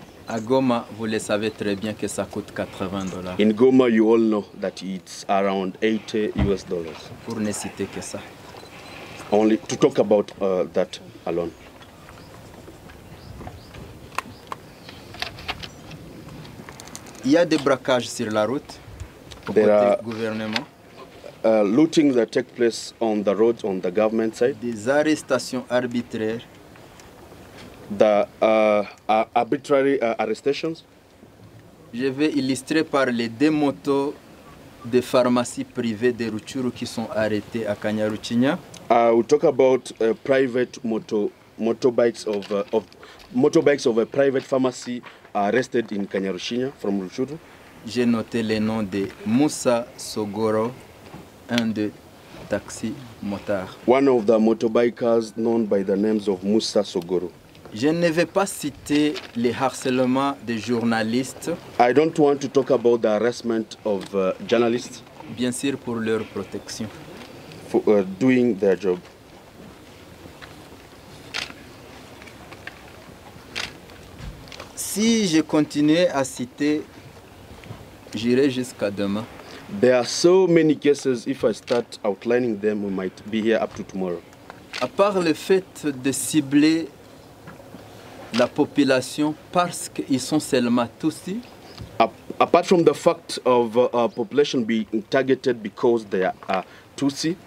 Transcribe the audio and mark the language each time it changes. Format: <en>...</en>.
<fr>À Goma, vous le savez très bien que ça coûte $80.</fr> <en>In Goma, you all know that it's around $80.</en> <fr>Pour ne citer que ça.</fr> <en>Only to talk about that alone.</en> <fr>Il y a des braquages sur la route pour le gouvernement.</fr> <en>Looting that take place on the roads on the government side.</en> <fr>Des arrestations arbitraires.</fr> <en>The arbitrary arrestations.</en> <fr>Je vais illustrer par les deux motos de pharmacies privées de Rutshuru qui sont arrêtées à Kanyaruchinya.</fr> <en>We'll talk about private motorbikes of a private pharmacy arrested in Kanyaruchinya from Rutshuru.</en> <fr>J'ai noté les noms de Moussa Sogoro, un de taxi motard.</fr> <en>One of the motorbikers known by the names of Moussa Sogoro.</en> <fr>Je ne vais pas citer les harcèlements des journalistes.</fr> <en>I don't want to talk about the harassment of journalists.</en> <fr>Bien sûr, pour leur protection.</fr> <en>For doing their job.</en> <fr>Si je continue à citer, j'irai jusqu'à demain.</fr> <en>There are so many cases. If I start outlining them, we might be here up to tomorrow.</en> <fr>À part le fait de cibler la population parce qu'ils sont seulement Tutsi.</fr> <en>Apart from the fact of population being targeted because they are Tutsi.</en>